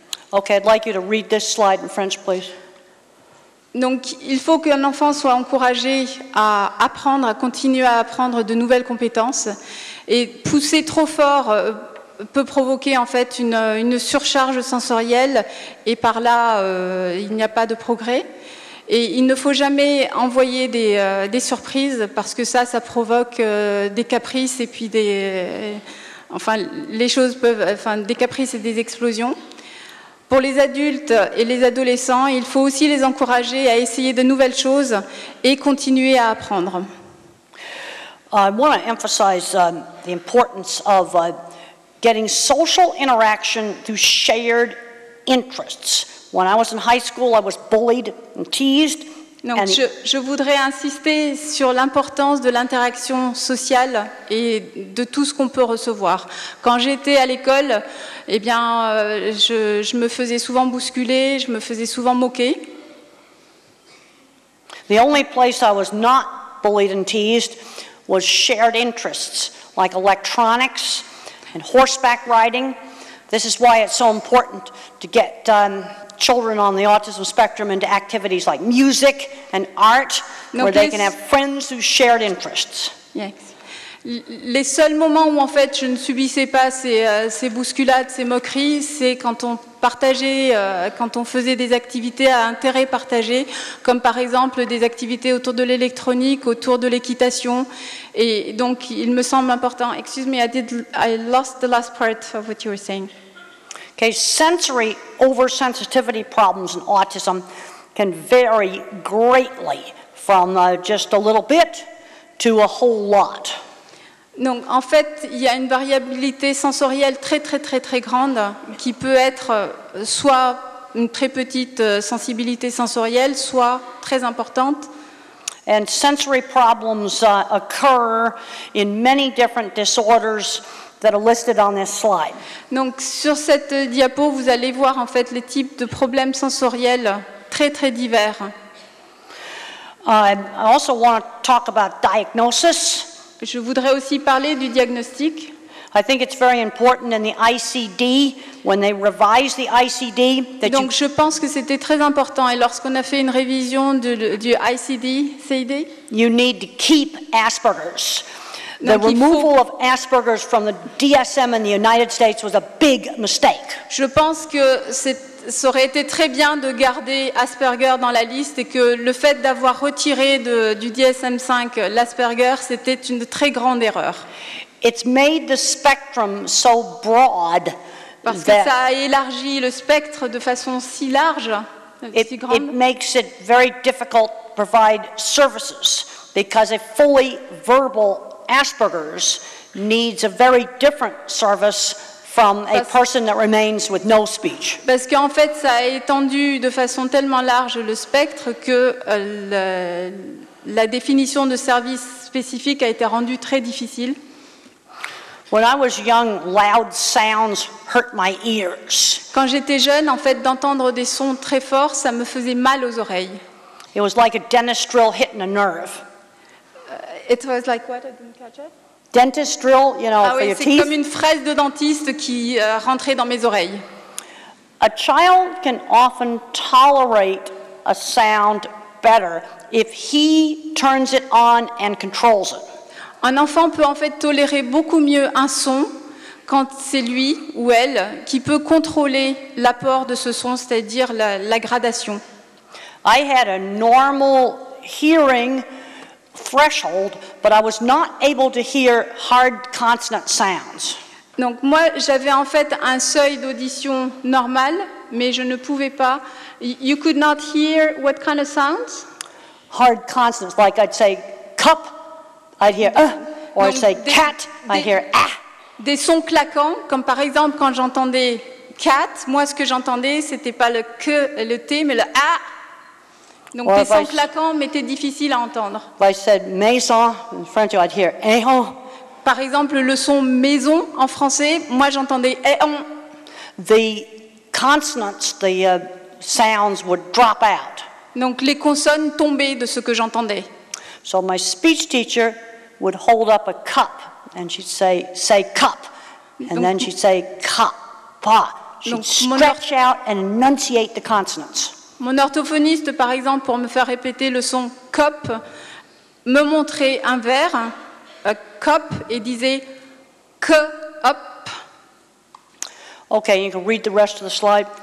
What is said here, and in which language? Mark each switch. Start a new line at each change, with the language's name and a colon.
English: Okay, I'd like you to read this slide in French, please.
French: Donc, il faut qu'un enfant soit encouragé à apprendre, à continuer à apprendre de nouvelles compétences. Et pousser trop fort peut provoquer en fait une surcharge sensorielle et par là il n'y a pas de progrès. Et il ne faut jamais envoyer des surprises parce que ça provoque des caprices et puis des caprices et des explosions. Pour les adultes et les adolescents, il faut aussi les encourager à essayer de nouvelles choses et continuer à apprendre.
English: I want to emphasize the importance of getting social interaction through shared interests. When I was in high school, I was bullied and teased.
French: Donc, je voudrais insister sur l'importance de l'interaction sociale et de tout ce qu'on peut recevoir. Quand j'étais à l'école, eh bien, je me faisais souvent bousculer, je me faisais souvent moquer.
English: The only place I was not bullied and teased was shared interests, like electronics and horseback riding. This is why it's so important to get children on the autism spectrum into activities like music and art, where they can have friends who share interests. Yes.
French: Les seuls moments où en fait je ne subissais pas ces bousculades, ces moqueries, c'est quand on partageait, quand on faisait des activités à intérêt partagé, comme par exemple des activités autour de l'électronique, autour de l'équitation. Et donc il me semble important.
English: Excuse me, I lost the last part of what you were saying. Okay, sensory oversensitivity problems in autism can vary greatly from just a little bit to a whole lot.
French: Donc en fait, il y a une variabilité sensorielle très très très très grande qui peut être soit une très petite sensibilité sensorielle, soit très importante.
English: And sensory problems occur in many different disorders that are listed on this slide.
French: Donc sur cette diapo, vous allez voir en fait les types de problèmes sensoriels très très divers.
English: I also want to talk about diagnosis.
French: Je voudrais aussi parler du diagnostic.
English: I think it's very important in the ICD when they revise the ICD that.
French: Donc je pense que c'était très important et lorsqu'on a fait une révision du ICD.
English: You need to keep Asperger's. The removal of Asperger's from the DSM in the United States was a big mistake.
French: Je pense que ça aurait été très bien de garder Asperger dans la liste et que le fait d'avoir retiré du DSM-5 l'Asperger, c'était une très grande erreur.
English: It's made the spectrum so broad.
French: Parce que ça a élargi le spectre de façon si large, si grande.
English: It makes it very difficult to provide services because a fully verbal Asperger's needs a very different service from a person that remains with no speech.
French: Parce qu'en fait, ça a étendu de façon tellement large le spectre que la définition de service spécifique a été rendue très difficile.
English: When I was young, loud sounds hurt my ears.
French: Quand j'étais jeune, en fait, d'entendre des sons très forts, ça me faisait mal aux oreilles.
English: It was like a dentist drill hitting a nerve. It was like what? I didn't catch it. Dentist drill, you know, ah for
French: oui,
English: your
French: c'est
English: teeth.
French: Comme une fraise de dentiste qui rentrait dans mes oreilles.
English: A child can often tolerate a sound better if he turns it on and controls it.
French: Un enfant peut en fait tolérer beaucoup mieux un son quand c'est lui ou elle qui peut contrôler l'apport de ce son, c'est-à-dire la gradation.
English: I had a normal hearing threshold, but I was not able to hear hard consonant sounds.
French: Donc moi, j'avais en fait un seuil d'audition normal, mais je ne pouvais pas.
English: You could not hear what kind of sounds? Hard consonants, like I'd say cup, I'd hear or
French: donc,
English: I'd say cat, I'd hear ah.
French: Des sons claquants, comme par exemple quand j'entendais cat, moi ce que j'entendais, c'était pas le que, le t, mais le ah. Donc
English: or
French: des sons claquants m'étaient difficiles à entendre.
English: I said maison, in French, I'd hear éon.
French: Par exemple, le son maison en français, moi j'entendais éon.
English: The consonants, the sounds would drop out.
French: Donc les consonnes tombaient de ce que j'entendais.
English: So my speech teacher would hold up a cup and she'd say, say cup. And
French: donc,
English: then she'd say cup, pa. She'd stretch out and enunciate the consonants.
French: Mon orthophoniste, par exemple, pour me faire répéter le son cop, me montrait un verre, cop, et disait que, hop,
English: Okay, you can read the rest of the slide.